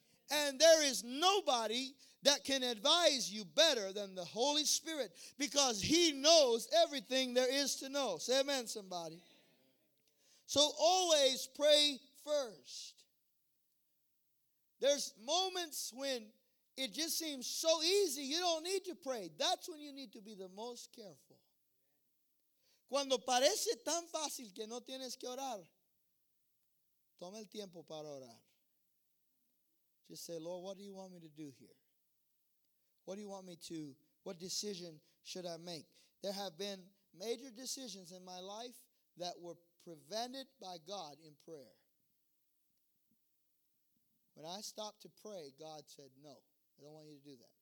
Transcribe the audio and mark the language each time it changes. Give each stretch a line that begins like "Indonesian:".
English: And there is nobody that can advise you better than the Holy Spirit, because he knows everything there is to know. Say amen, somebody. So always pray first. There's moments when it just seems so easy, you don't need to pray. That's when you need to be the most careful.
Spanish: Cuando parece tan fácil que no tienes que orar, toma el tiempo para orar.
English: Just say, Lord, what do you want me to do here? What do you want me to, what decision should I make? There have been major decisions in my life that were prevented by God in prayer. When I stopped to pray, God said, no, I don't want you to do that.